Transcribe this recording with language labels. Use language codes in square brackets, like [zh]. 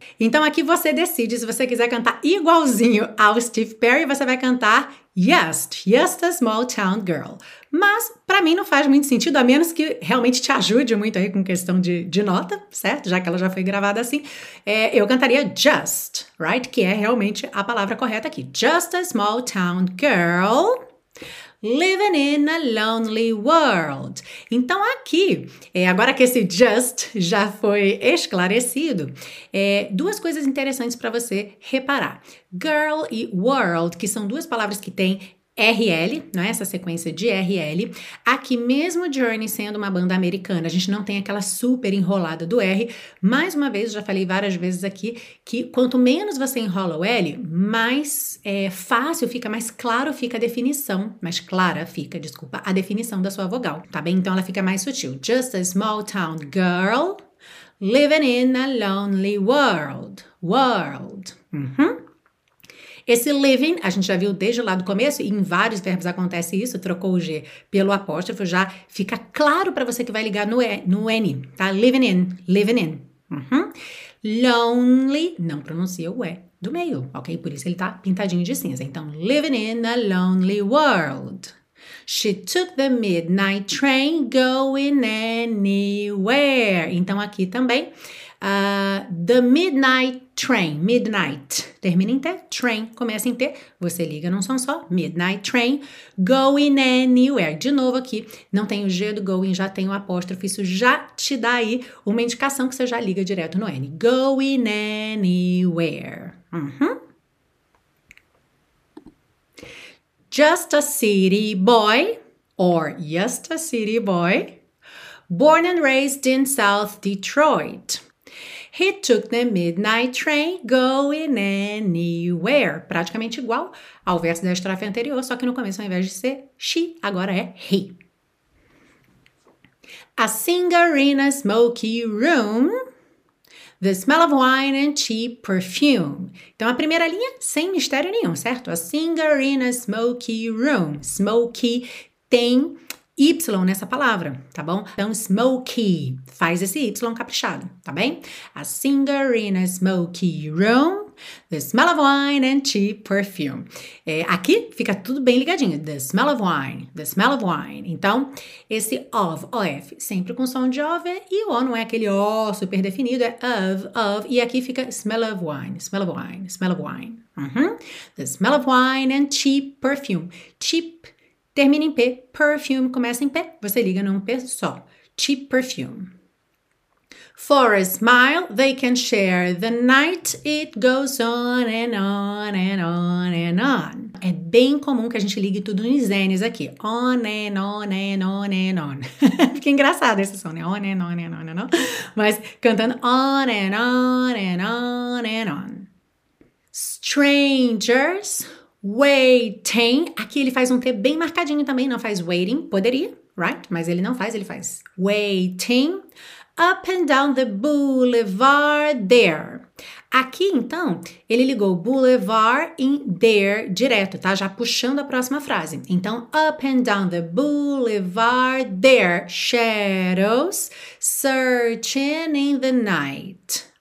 [pt] Então aqui você decide, se você quiser cantar igualzinho ao Steve Perry, você vai cantar [en] yes, yes a small town girl. [pt] Mas, para mim, não faz muito sentido, a menos que realmente te ajude muito aí com questão de nota, certo? Já que ela já foi gravada assim. Eu cantaria just, [en] right? [pt] Que é realmente a palavra correta aqui. [en] Just a small town girl living in a lonely world. [pt] Então, aqui, agora que esse just já foi esclarecido, duas coisas interessantes para você reparar. Girl e world, que são duas palavras que têm RL, não é? Essa sequência de RL. Aqui, mesmo Journey sendo uma banda americana, a gente não tem aquela super enrolada do R. Mais uma vez, já falei várias vezes aqui, que quanto menos você enrola o L, mais fácil fica, mais claro fica a definição, mais clara fica, desculpa, a definição da sua vogal, tá bem? Então, ela fica mais sutil. [en] Just a small town girl living in a lonely world. World. Uhum. [pt] Esse living, a gente já viu desde lá do começo, e em vários verbos acontece isso, trocou o G pelo apóstrofo, já fica claro para você que vai ligar no N, tá? [en] Living in, living in. [pt] Uhum. Lonely, não pronuncia o E do meio, ok? Por isso ele tá pintadinho de cinza. Então, [en] living in a lonely world. She took the midnight train going anywhere. [pt] Então, aqui também, [en] The Midnight Train. [pt] Midnight. Termina em T. Train. Começa em T. Você liga num som só. [en] Midnight Train. Going anywhere. [pt] De novo aqui. Não tem o G do going. Já tem o apóstrofe. Isso já te dá aí uma indicação que você já liga direto no N. [en] Going anywhere. Uhum. Just a city boy. Or just a city boy. Born and raised in South Detroit. He took the midnight train going anywhere. [pt] Praticamente igual ao verso da estrofe anterior, só que no começo, ao invés de ser she, agora é he. [en] A singer in a smoky room. The smell of wine and cheap perfume. [pt] Então, a primeira linha, sem mistério nenhum, certo? [en] A singer in a smoky room. [pt] Smoky tem Y nessa palavra, tá bom? Então, smoky, faz esse Y caprichado, tá bem? [en] A singer in a smoky room, the smell of wine and cheap perfume. [pt] É, aqui fica tudo bem ligadinho, [en] the smell of wine, the smell of wine. [pt] Então, esse of, of, sempre com som de of, e o o não é aquele o super definido, é of, e aqui fica [en] smell of wine, smell of wine, [pt] smell of wine. Uhum. [en] The smell of wine and cheap perfume, cheap. [pt] Termina em P, perfume começa em P, você liga num P só. [en] Cheap perfume. For a smile, they can share the night, it goes on and on and on and on. [pt] É bem comum que a gente ligue tudo nos N's aqui. [en] On and on and on [pt] and on. Fica engraçado esse som, né? [en] On and on and on and on. [pt] Mas cantando [en] on and on and on and on. Strangers. [pt] Waiting, aqui ele faz um T bem marcadinho também, não faz waiting, poderia, [en] right? [pt] Mas ele não faz, ele faz waiting, [en] up and down the boulevard there. [pt] Aqui, então, ele ligou boulevard em there direto, tá? Já puxando a próxima frase. [en] Então, up and down the boulevard there, shadows searching in the night.